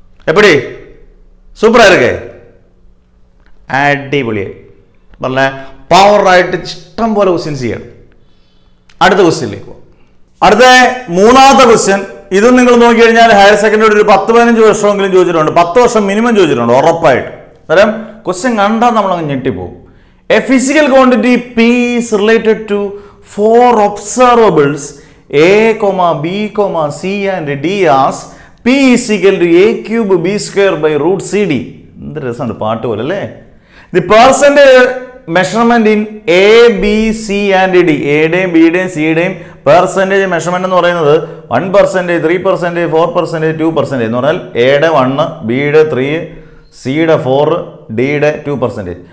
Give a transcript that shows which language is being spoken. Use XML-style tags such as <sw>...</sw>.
<ml>എപ്പടി സൂപ്പർ ആയിരിക്കേ, അടിപൊളിയായി പറഞ്ഞ പവർ ആയിട്ട് ഇഷ്ടം പോലെ ക്വസ്റ്റ്യൻ ചെയ്യണം. അടുത്ത ക്വസ്റ്റ്യനിലേക്ക് പോകാം. അടുത്ത മൂന്നാമത്തെ ക്വസ്റ്റ്യൻ, ഇതും നിങ്ങൾ നോക്കിക്കഴിഞ്ഞാൽ ഹയർ സെക്കൻഡറി ഒരു 10-15 വർഷമെങ്കിലും ചോദിച്ചിട്ടുണ്ട്, 10 വർഷം മിനിമം ചോദിച്ചിട്ടുണ്ട് ഉറപ്പായിട്ട്. അന്നേരം ക്വസ്റ്റ്യൻ കണ്ടാൽ നമ്മളങ്ങ് ഞെട്ടിപ്പോകും.</ml> <en>A physical quantity P is related to 4 observables A, B, C, and D as P is equal to (a³, b²)√CD.</en> <ml>എന്ത് രസമാണ് പാട്ട് പോലെ അല്ലേ. ദി പേഴ്സൻ്റെ measurement in A, B, C, and D, എയുടെയും ബിയുടെയും സിയുടെയും പേഴ്സൻറ്റേജ് മെഷർമെൻ്റ് എന്ന് പറയുന്നത് 1%, 3%, 4%, 2% എന്ന് പറഞ്ഞാൽ എയുടെ 1, B, 3, C, 4, D, 2%.</ml>